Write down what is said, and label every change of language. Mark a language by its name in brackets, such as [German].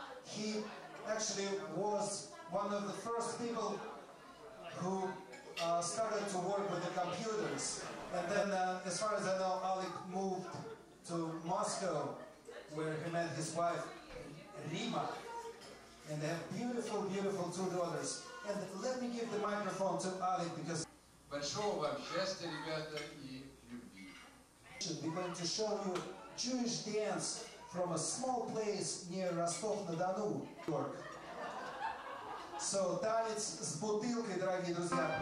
[English] He actually was one of the first people who started to work with the computers. And then, as far as I know, Alik moved to Moscow, where he met his wife, Rima. And they have beautiful, beautiful two daughters. And let me give the microphone to Alek, because... [Russian] Большого вам счастья, ребята, и любви. [English] We're going to show you Jewish dance from a small place near Ростов-на-Дону, New York. [Russian] So, танец с бутылкой, дорогие друзья.